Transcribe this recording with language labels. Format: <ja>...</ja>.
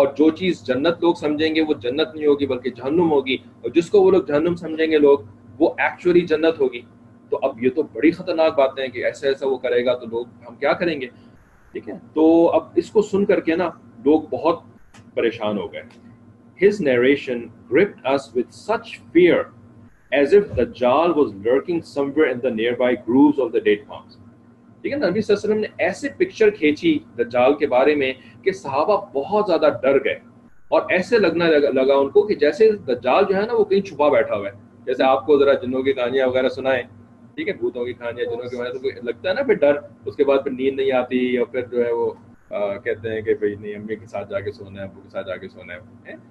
<ur>اور جو چیز جنت لوگ سمجھیں گے وہ جنت نہیں ہوگی بلکہ جہنم ہوگی, اور جس کو وہ لوگ جہنم سمجھیں گے لوگ وہ ایکچولی جنت ہوگی. تو اب یہ تو بڑی خطرناک باتیں ہیں کہ ایسا ایسا وہ کرے گا تو لوگ ہم کیا کریں گے, ٹھیک ہے. تو اب اس کو سن کر کے نا لوگ بہت پریشان ہو گئے.</ur> <en>His narration gripped us with such fear as if the Dajjal was lurking somewhere in the nearby grooves of the date palms.</en> <ur>لیکن نبی صلی اللہ علیہ وسلم نے ایسے پکچر کھینچی دجال کے بارے میں کہ صحابہ بہت زیادہ ڈر گئے, اور ایسے لگنا لگا ان کو کہ جیسے دجال جو ہے نا وہ کہیں چھپا بیٹھا ہوا ہے. جیسے آپ کو ذرا جنوں کی کہانیاں وغیرہ سنائیں, ٹھیک ہے, بھوتوں کی کہانیاں جنوں کے بارے میں, تو لگتا ہے نا پھر ڈر, اس کے بعد پھر نیند نہیں آتی, یا پھر جو ہے وہ کہتے ہیں کہ بھائی نہیں, امی کے ساتھ جا کے سونا ہے, ابو کے ساتھ جا کے سونا ہے.</ur>